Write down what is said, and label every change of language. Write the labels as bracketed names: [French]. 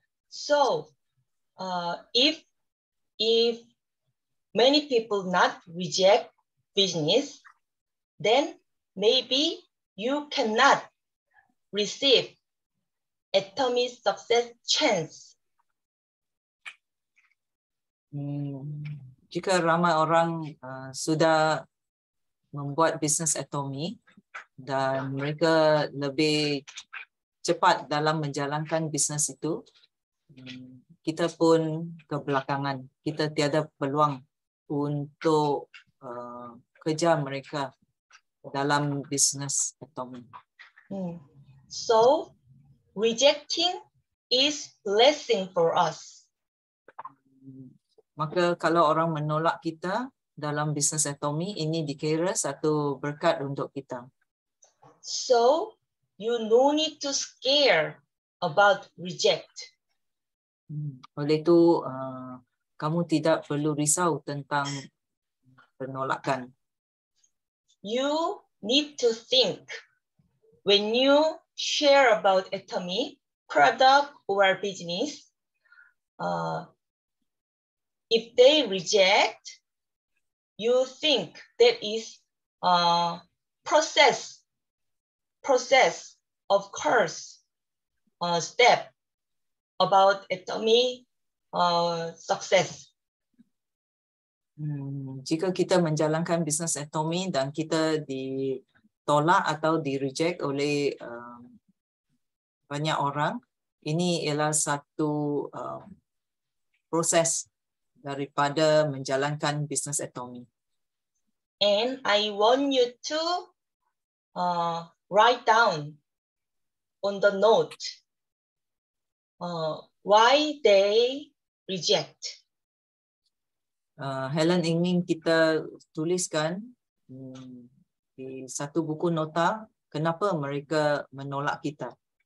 [English] So, if many people not reject business, then maybe you cannot receive Atomy success chance. [Malay] Jika ramai orang sudah membuat bisnes Atomy dan mereka lebih cepat dalam menjalankan bisnes itu, kita pun kebelakangan. Kita tiada peluang untuk kejar mereka dalam bisnes Atomy. [English] So, rejecting is blessing for us. [Malay] Maka kalau orang menolak kita dalam bisnes Atomy, ini dikira satu berkat untuk kita. [English] So, you no need to scare about reject. [Malay] Oleh itu, kamu tidak perlu risau tentang penolakan. [English] You need to think when you share about Atomy product or business, if they reject, you think that is a process of course, step about Atomy success. [Malay] Jika kita menjalankan bisnes Atomy dan kita ditolak atau di reject oleh banyak orang, ini ialah satu proses daripada menjalankan bisnes Atomy. [English] And I want you to write down on the note why they reject. [Malay] Helen ingin kita tuliskan di satu buku nota kenapa mereka menolak kita.